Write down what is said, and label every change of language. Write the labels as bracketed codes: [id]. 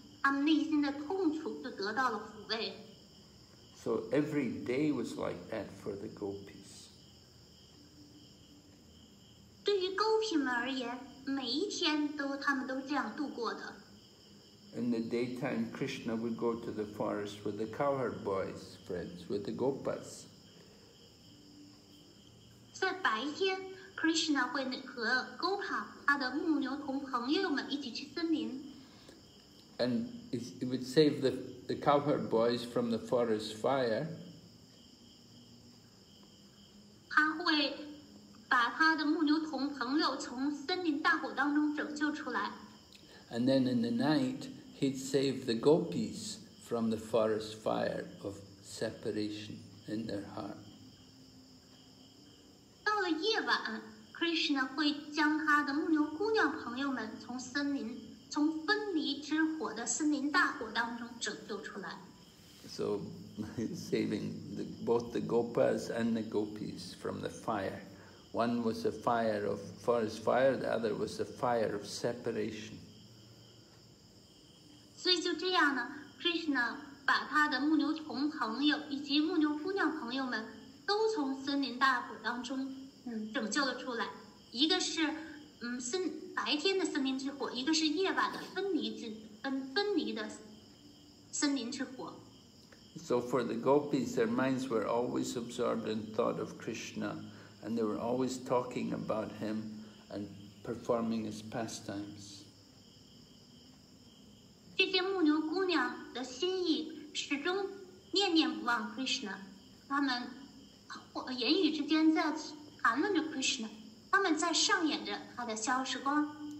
[zh] 他们内心的痛楚就得到了抚慰。 [en] So every day was like that for the gopis. [zh] 对于 gopi 们而言，每一天都他们都这样度过的。 [en] In the daytime, Krishna would go to the forest with the cowherd boys, friends, with the gopas. [zh] 在白天 ，Krishna 会和 gopa 他的牧牛童朋友们一起去森林。 [en] And it would save the cowherd boys from the forest fire. [zh] 他会把他的牧牛童朋友从森林大火当中拯救出来。 [en] And then in the night, he'd save the gopis from the forest fire of separation in their heart. [zh] 到了夜晚 ，Krishna 会将他的牧牛姑娘朋友们从森林从分离之火的森林大火当中拯救出来。 [en] So, saving the, both the gopas and the gopis from the fire. One was a fire of forest fire, the other was a fire of separation. [zh] 所以就这样呢 ，Krishna 把他的牧牛童朋友以及牧牛姑娘朋友们都从森林大火当中，拯救了出来。一个是，森白天的森林之火，一个是夜晚的分离的森林之火。 [en] So for the gopis, their minds were always absorbed in thought of Krishna, and they were always talking about him and performing his pastimes. [zh] 这些牧牛姑娘的心意始终念念不忘 Krishna， 他们言语之间在谈论着 Krishna， 他们在上演着他的消逝光。